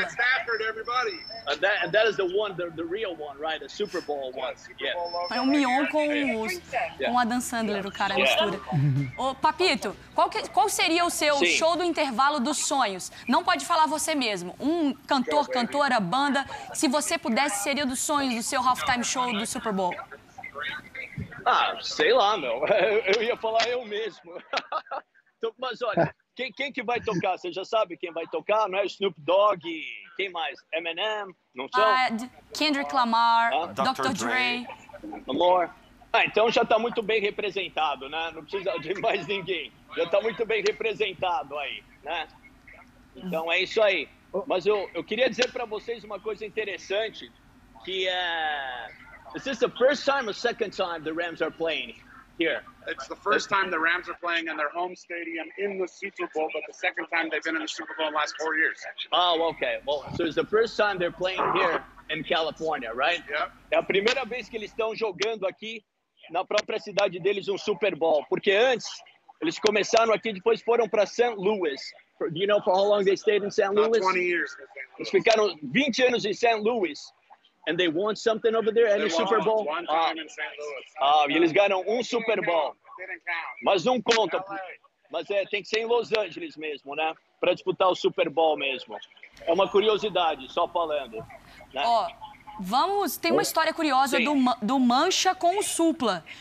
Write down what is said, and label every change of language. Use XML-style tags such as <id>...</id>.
<en>Matt Stafford, everybody. That is the one, the real one, right? A Super Bowl one.</en> <pt>Foi um Mion com o Adam Sandler, o cara mistura. Ô, Papito, qual seria o seu show do intervalo dos sonhos? Não pode falar você mesmo. Um cantor, cantora, banda. Se você pudesse, seria dos sonhos do seu halftime show do Super Bowl? Ah, sei lá, meu. Eu ia falar eu mesmo. Mas olha, quem que vai tocar? Você já sabe quem vai tocar? Não é Snoop Dogg? Quem mais? Eminem? Não sei. Kendrick Lamar, Dr. Dre. Lamar. Ah, então já tá muito bem representado, né? Não precisa de mais ninguém. Já tá muito bem representado aí, né? Então é isso aí. Mas eu queria dizer pra vocês uma coisa interessante, que é...</pt> <en>Is this the first time or second time the Rams are playing here? It's the first time the Rams are playing in their home stadium in the Super Bowl, but the second time they've been in the Super Bowl in the last 4 years. Oh, okay. Well, so it's the first time they're playing here in California, right? Yeah.</en> <pt>É a primeira vez que eles estão jogando aqui na própria cidade deles um Super Bowl, porque antes eles começaram aqui, depois foram para St. Louis.</pt> <en>Do you know for how long they stayed in St. Louis? About 20 years.</en> <pt>Eles ficaram 20 anos em St. Louis.</pt> <en>And they won something over there, any Super Bowl? One time in St. Louis.</en> <pt>Eles ganham um Super Bowl.</pt> <en>Didn't count.</en> <pt>Mas não conta. LA. Mas é, tem que ser em Los Angeles mesmo, né? Pra disputar o Super Bowl mesmo. É uma curiosidade, só falando. Ó, né? Tem uma história curiosa do Mancha com o Supla.</pt>